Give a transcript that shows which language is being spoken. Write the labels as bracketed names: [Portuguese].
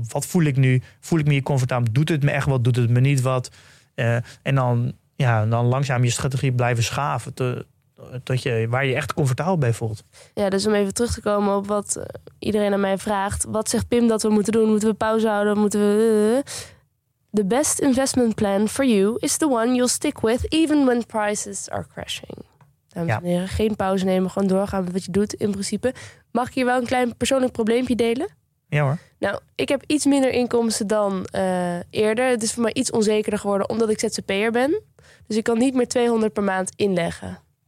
[Dutch] Wat voel ik nu? Voel ik me hier comfortabel? Doet het me echt wat? Doet het me niet wat? En dan langzaam je strategie blijven schaven. Waar je echt comfortabel bij voelt. Ja, dus om even terug te komen op wat iedereen aan mij vraagt. Wat zegt Pim dat we moeten doen? Moeten we pauze houden? Moeten we... [English] The best investment plan for you is the one you'll stick with, even when prices are crashing. [Dutch] Dames en heren, geen pauze nemen. Gewoon doorgaan met wat je doet, in principe. Mag ik hier wel een klein persoonlijk probleempje delen? Ja hoor. Nou, ik heb iets minder inkomsten dan eerder. Het is voor mij iets onzekerder geworden, omdat ik ZZP'er ben. Dus ik kan niet meer 200 per maand inleggen.